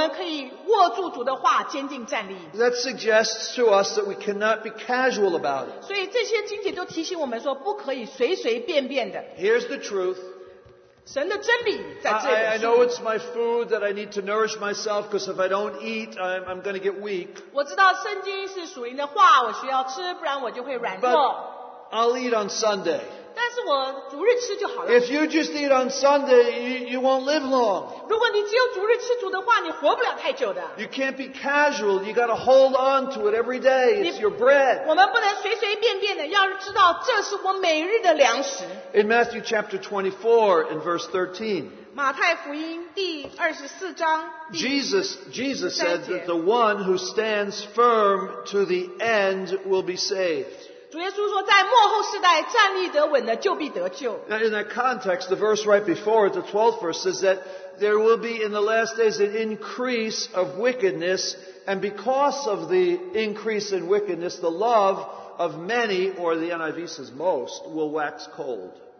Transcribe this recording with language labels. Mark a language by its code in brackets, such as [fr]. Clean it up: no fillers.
[zh] 但是当属灵的海啸来到的时候，我们可以握住主的话，坚定站立。 [en] That suggests to us that we cannot be casual about it. [zh] 所以这些经节都提醒我们说，不可以随随便便的。 [en] Here's the truth. I know it's my food that I need to nourish myself because if I don't eat, I'm going to get weak. [zh] 我知道圣经是属灵的话，我需要吃，不然我就会软弱。 [en] But I'll eat on Sunday. [zh] 但是我主日吃就好了。 [en] If you just eat on Sunday, you won't live long. [zh] 如果你只有主日吃主的话，你活不了太久的。 [en] You can't be casual. You got to hold on to it every day. It's your bread. [zh] 我们不能随随便便的，要知道这是我每日的粮食。 [en] In Matthew chapter 24 and verse 13. [zh] 马太福音第24章。 [en] Jesus said that the one who stands firm to the end will be saved. [zh] 主耶稣说，在末后世代站立得稳的就必得救。 [en] Now in that context, the verse right before it, the 12th verse, says that there will be in the last days an increase of wickedness, and because of the increase in wickedness, the love of many, or the NIV says most, will wax cold.